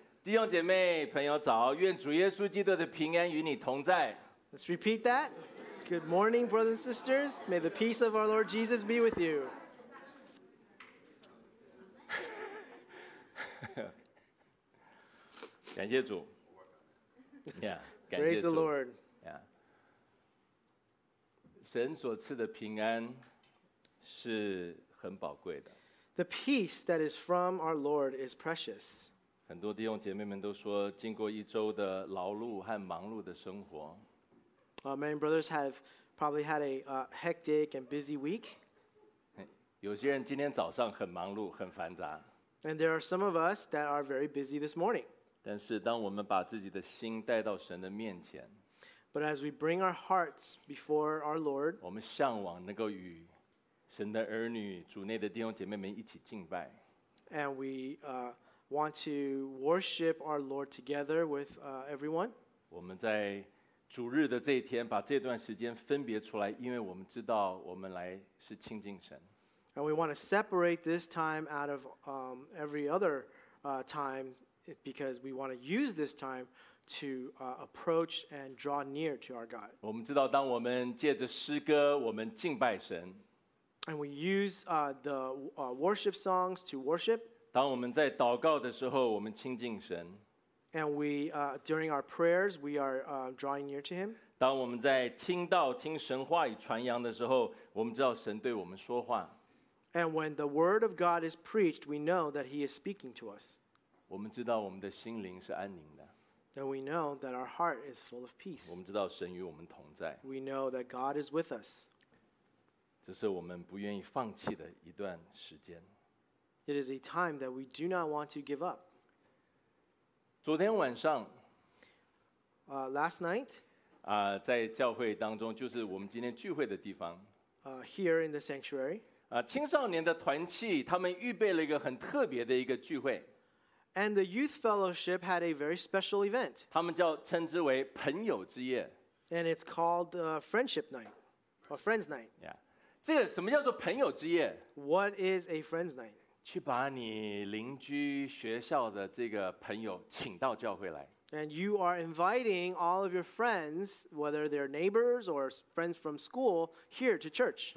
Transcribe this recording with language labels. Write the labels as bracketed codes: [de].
[zh] 弟兄姐妹朋友早，愿主耶稣基督的平安与你同在。 [en] Let's repeat that. Good morning, brothers and sisters. May the peace of our Lord Jesus be with you. [zh] 感谢主。 [en] Praise the Lord. [zh] 神所赐的平安是很宝贵的。 [en] The peace that is from our Lord is precious. [zh] 很多弟兄姐妹们都说，经过一周的劳碌和忙碌的生活。 [en] Many brothers have probably had a hectic and busy week. [zh] 有些人今天早上很忙碌，很繁杂。 [en] And there are some of us that are very busy this morning. [zh] 但是当我们把自己的心带到神的面前。 [en] But as we bring our hearts before our Lord. [zh] 我们向往能够与神的儿女、主内的弟兄姐妹们一起敬拜。 [en] And we want to worship our Lord together with everyone. [zh] 我们在主日的这一天把这段时间分别出来，因为我们知道我们来是亲近神。 [en] And we want to separate this time out of every other time because we want to use this time to approach and draw near to our God. [zh] 我们知道当我们借着诗歌，我们敬拜神。 [en] And we use the worship songs to worship. [zh] 当我们在祷告的时候，我们亲近神。 [en] And during our prayers, we are drawing near to Him. [zh] 当我们在听到听神话语传扬的时候，我们知道神对我们说话。 [en] And when the word of God is preached, we know that He is speaking to us. [zh] 我们知道我们的心灵是安宁的。 [en] And we know that our heart is full of peace. [zh] 我们知道神与我们同在。 [en] We know that God is with us. [zh] 这是我们不愿意放弃的一段时间。 [en] It is a time that we do not want to give up. [zh] 昨天晚上 [en] last night, [zh] 在教会当中，就是我们今天聚会的地方 [en] here in the sanctuary, [zh] 青少年的团契，他们预备了一个很特别的一个聚会。 [en] And the youth fellowship had a very special event. 他们称之为朋友之夜。 And it's called friendship night, or friends night. Yeah. [zh] 这个什么叫做朋友之夜？ [en] What is a friends night? [zh] 去把你邻居学校的这个朋友请到教会来。 [en] And you are inviting all of your friends, whether they're neighbors or friends from school, here to church.